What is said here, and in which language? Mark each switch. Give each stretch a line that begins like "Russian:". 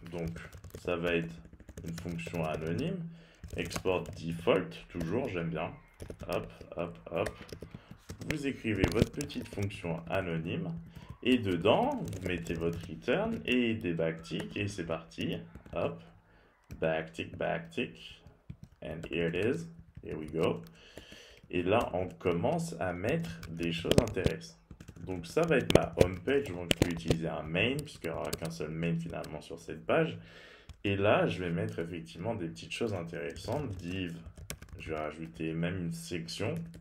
French: Donc, ça va être une fonction anonyme. Export default, toujours, j'aime bien. Hop, hop, hop. Vous écrivez votre petite fonction anonyme. Et dedans, vous mettez votre return et des backticks et c'est parti.
English: Hop, backtick, backtick, and here it is, here we go.
French: Et là, on commence à mettre des choses intéressantes. Donc ça va être ma home page, donc je vais utiliser un main puisqu'il n'y aura qu'un seul main finalement sur cette page. Et là, je vais mettre effectivement des petites choses intéressantes. Div, je vais rajouter même une section.